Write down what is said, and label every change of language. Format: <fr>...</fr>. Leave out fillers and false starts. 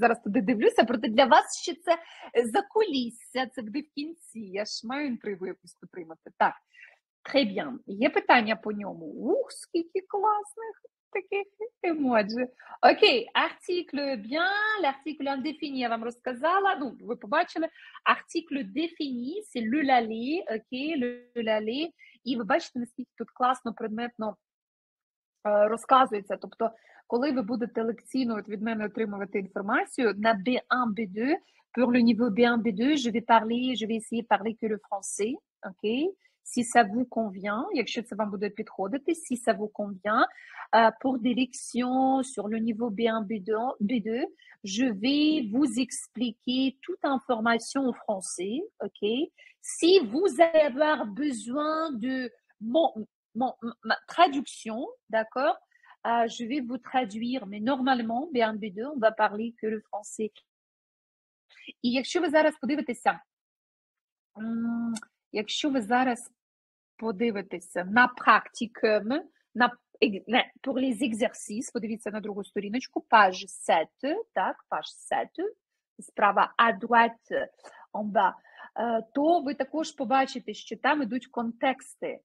<uk>Зараз туди дивлюся, проте для вас ще це закулісся, це буде в кінці. Я ж маю інтригу якусь отримати. Так. Хеб'ян, є питання по ньому? Ух, скільки класних таких емоджі. Окей, article bien, l'article indéfini я вам розказала, ну, ви побачили.</uk> <fr>Article défini, c'est le lali, окей, le lali.</fr> <uk>І ви бачите, наскільки тут класно, предметно розказується. Тобто, коли ви будете лекційно від мене отримувати інформацію, на BMBD,</uk> <fr>pour le niveau B1-B2, je vais essayer de parler que le français, ok? Si ça vous convient, якщо це вам буде підходити, si ça vous convient, pour des lections sur le niveau B1-B2, je vais vous expliquer toute information en français, ok? Si vous avez besoin de ma traduction, d'accord? Je vais vous traduire, mais normalement, B1-B2, on va parler que le français.</fr> <uk>І якщо ви зараз подивитеся, на практикум, на pour les exercices, подивіться на другу сторіночку, page 7, так, page 7, справа à droite, en bas, то ви також побачите, що там ідуть контексти.</uk>